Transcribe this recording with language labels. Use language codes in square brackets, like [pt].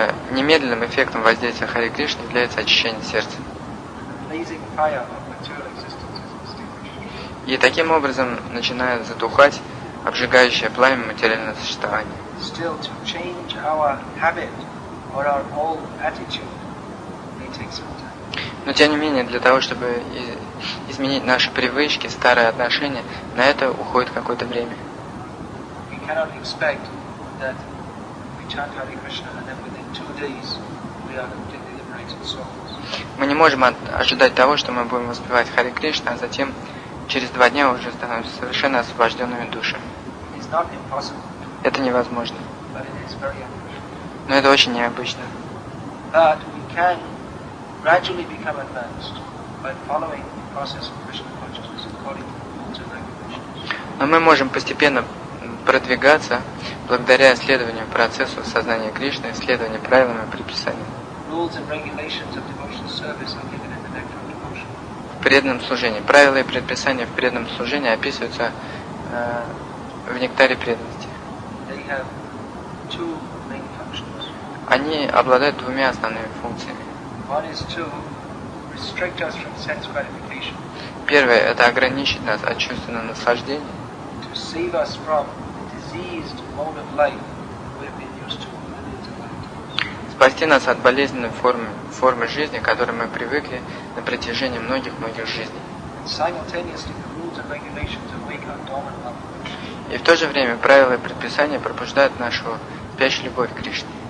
[ru] Немедленным эффектом воздействия Харе Кришны является очищение сердца. [en] amazing fire of material existence is extinguished. [ru] И таким образом начинает затухать обжигающее пламя материального существования. [en] Still, to change our habit or our old attitude may take some time. [ru] Но тем не менее, для того, чтобы изменить наши привычки, старые отношения, на это уходит какое-то время. [en] We cannot expect that we chant Hare Krishna and then within two days we are completely liberated souls. [ru] Мы не можем ожидать того, что мы будем воспевать Харе Кришна, а затем через два дня уже становимся совершенно освобожденными душами. [en] It's not impossible. [ru] Это невозможно. [en] But it is very [ru] unusual. Но это очень необычно. [en] But we can gradually become advanced by following the process of Krishna consciousness according to rules and regulations. [ru] Но мы можем постепенно продвигаться благодаря исследованию процессу сознания Кришны, исследованию правилам и предписаниям. [en] Rules and regulations of devotional service are given in the Nectar of Devotion. [ru] В преданном служении. Правила и предписания в преданном служении описываются в Нектаре преданности. [en] They have two main functions. [ru] Они обладают двумя основными функциями. [en] One is to restrict us from sense gratification. [ru] Первое – это ограничить нас от чувственного наслаждения. [en] To save us from the diseased mode of life we have been used to for millions of lifetimes. [ru] Спасти нас от болезненной формы жизни, к которой мы привыкли на протяжении многих-многих жизней. [en] And simultaneously the rules and regulations awake our dormant love. [ru] И в то же время правила и предписания пробуждают нашу спящую любовь к Кришне.